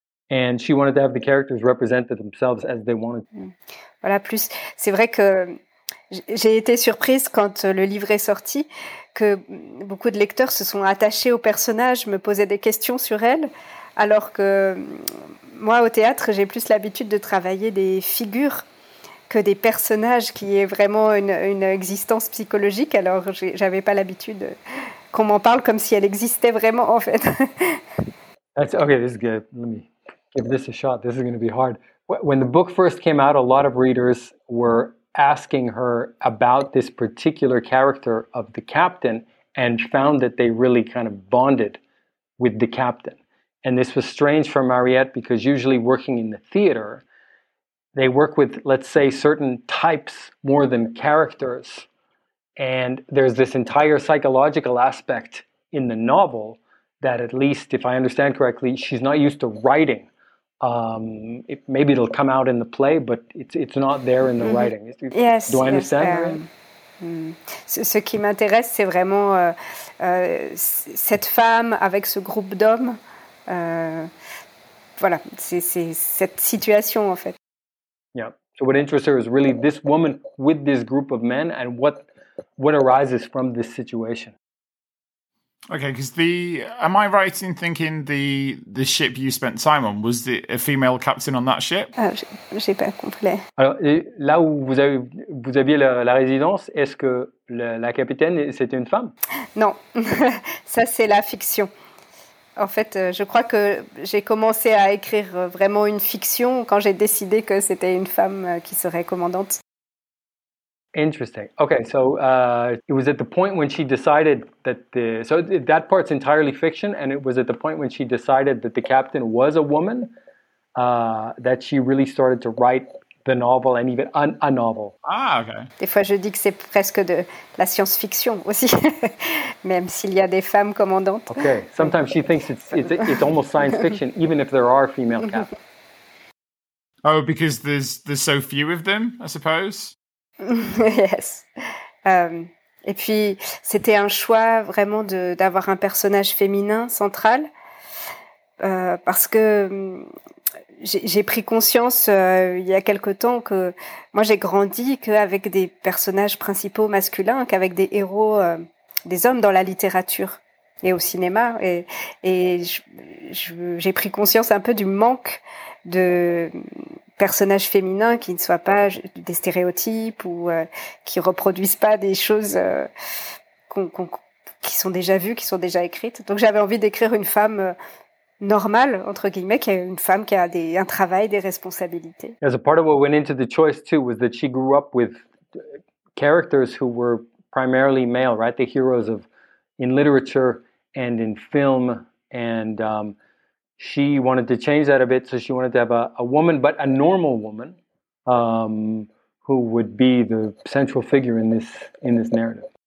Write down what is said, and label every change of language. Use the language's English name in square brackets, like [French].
[English] And she wanted to have the characters represent themselves as they wanted. [French] Voilà, plus, c'est vrai que j'ai été surprise quand le livre est sorti, que beaucoup de lecteurs se sont attachés aux personnages, me posaient des questions sur elles, Alors que moi, au théâtre, j'ai plus l'habitude de travailler des figures que des personnages, qui est vraiment une existence psychologique. Alors, j'avais pas l'habitude qu'on m'en parle comme si elle existait vraiment, en fait. [English] That's, okay, this is good. Let me give this a shot. This is going to be hard. When the book first came out, a lot of readers were asking her about this particular character of the captain and found that they really kind of bonded with the captain. And this was strange for Mariette because usually working in the theater, they work with, let's say, certain types more than characters. And there's this entire psychological aspect in the novel that, at least if I understand correctly, she's not used to writing. Maybe it'll come out in the play, but it's not there in the mm-hmm. writing. Yes, do I understand yes, right? [French] Ce qui m'intéresse, c'est vraiment cette femme avec ce groupe d'hommes. Voilà, c'est cette situation, en fait. [English] Yeah, so what interests her is really this woman with this group of men and what arises from this situation. Okay, because am I right in thinking the ship you spent time on, was the a female captain on that ship? [French] J'ai pas compris. Alors, là où vous aviez la résidence, est-ce que la capitaine, c'était une femme? Non, ça c'est la fiction. En fait, je crois que j'ai commencé à écrire vraiment une fiction quand j'ai décidé que c'était une femme qui serait commandante. [English] Interesting. Okay, so it was at the point when she decided that that part's entirely fiction, and it was at the point when she decided that the captain was a woman that she really started to write the novel and even a novel. Ah, okay. [French] Des fois, je dis que c'est presque de la science-fiction aussi, même s'il y a des femmes commandantes. [English] Okay, sometimes she thinks it's almost science fiction, even if there are female captains. Oh, because there's so few of them, I suppose. Yes. [French] Et puis c'était un choix vraiment d'avoir un personnage féminin central parce que j'ai pris conscience il y a quelque temps que moi j'ai grandi qu'avec des personnages principaux masculins, qu'avec des héros, des hommes dans la littérature et au cinéma, et j'ai pris conscience un peu du manque de personnages féminins qui ne soient pas des stéréotypes ou qui reproduisent pas des choses qui sont déjà vues, qui sont déjà écrites. Donc j'avais envie d'écrire une femme normale, entre guillemets, qui est une femme qui a un travail, des responsabilités. [English] As a part of what went into the choice too was that she grew up with characters who were primarily male, right? The heroes in literature and in film and she wanted to change that a bit, so she wanted to have a woman, but a normal woman, who would be the central figure in this narrative.